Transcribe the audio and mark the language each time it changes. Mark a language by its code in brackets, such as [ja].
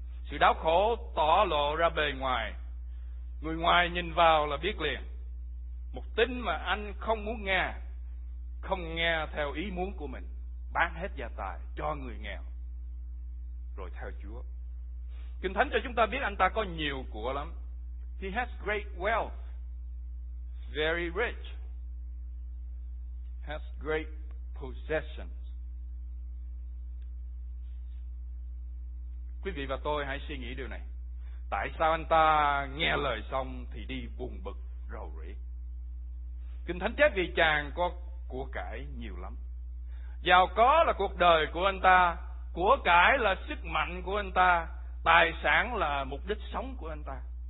[vi] Sự đau khổ tỏ lộ ra bề ngoài. Người ngoài nhìn vào là biết liền. Một tin mà anh không muốn nghe, không nghe theo ý muốn của mình, bán hết gia tài cho người nghèo, rồi theo Chúa. Kinh Thánh cho chúng ta biết anh ta có nhiều của lắm. [en] He has great wealth, very rich, has great possessions. [vi] Quý vị và tôi hãy suy nghĩ điều này. Tại sao anh ta nghe lời xong thì đi buồn bực rầu rĩ? Kinh Thánh chép vì chàng có của cải nhiều lắm. Giàu có là cuộc đời của anh ta, của cải là sức mạnh của anh ta, tài sản là mục đích sống của anh ta.